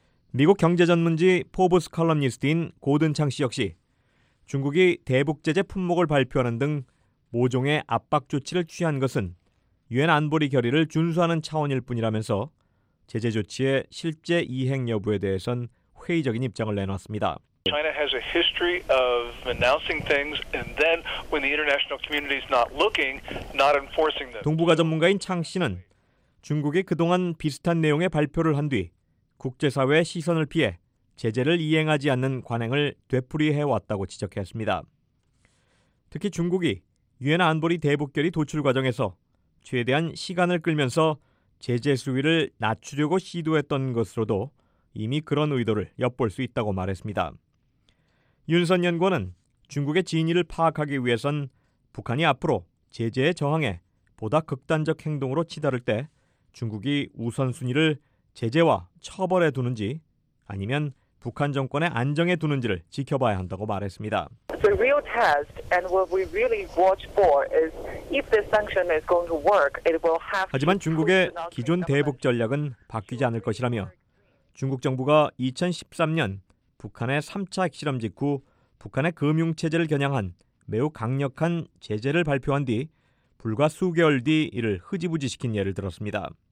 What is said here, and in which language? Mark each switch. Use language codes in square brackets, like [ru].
[ko] 미국 경제 전문지 포브스 칼럼니스트인 고든 창 씨 역시 중국이 대북 제재 품목을 발표하는 등 모종의 압박 조치를 취한 것은 유엔 안보리 결의를 준수하는 차원일 뿐이라면서 제재 조치의 실제 이행 여부에 대해선 회의적인 입장을 내놨습니다. [en] China has a history of announcing things and then when the international community is not looking, not enforcing them. [ko] 동북아 전문가인 창 씨는 중국이 그동안 비슷한 내용의 발표를 한 뒤 국제사회의 시선을 피해 제재를 이행하지 않는 관행을 되풀이해 왔다고 지적했습니다. 특히 중국이 유엔 안보리 대북 결의 도출 과정에서 최대한 시간을 끌면서 제재 수위를 낮추려고 시도했던 것으로도 이미 그런 의도를 엿볼 수 있다고 말했습니다. 윤선 연구원은 중국의 진위를 파악하기 위해선 북한이 앞으로 제재에 저항해 보다 극단적 행동으로 치달을 때 중국이 우선순위를 제재와 처벌에 두는지 아니면 북한 정권의 안정에 두는지를 지켜봐야 한다고 말했습니다. [en] The real test and what we really watch for is if the sanction is going to work, it will have. [ko] 하지만 중국의 기존 대북 전략은 바뀌지 않을 것이라며 중국 정부가 2013년 북한의 3차 핵실험 직후 북한의 금융체제를 겨냥한 매우 강력한 제재를 발표한 뒤 불과 수개월 뒤 이를 흐지부지시킨 예를 들었습니다.